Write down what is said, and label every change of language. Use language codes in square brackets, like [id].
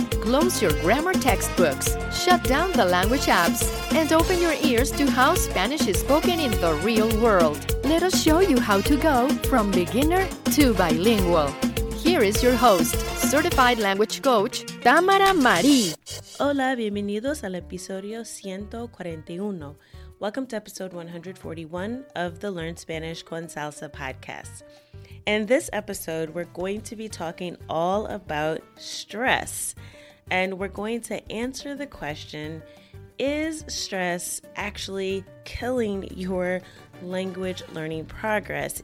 [en] Close your grammar textbooks, shut down the language apps, and open your ears to how Spanish is spoken in the real world. Let us show you how to go from beginner to bilingual. Here is your host, Certified Language Coach, Tamara Marie. [es] Hola, bienvenidos al episodio 141. [en] Welcome to episode 141 of the Learn Spanish con Salsa podcast. In this episode, we're going to be talking all about stress. And we're going to answer the question, is stress actually killing your language learning progress?